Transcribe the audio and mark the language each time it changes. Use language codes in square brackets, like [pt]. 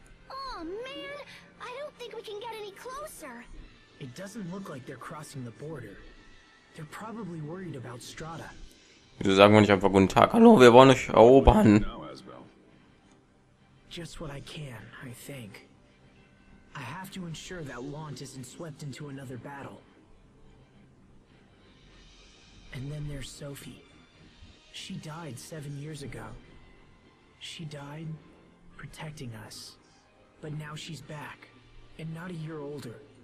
[en] Oh man, I don't think we can get any closer. It doesn't look like they're crossing the border. They're probably worried about Strata. [de] Wieso sagen wir nicht einfach guten Tag? Hallo, wir wollen euch erobern. [en] Just what I can, I think. I have to ensure that Lant isn't swept into another battle. And then there's Sophie. She died 7 years ago. She died protecting us. But now she's back, and not a year older.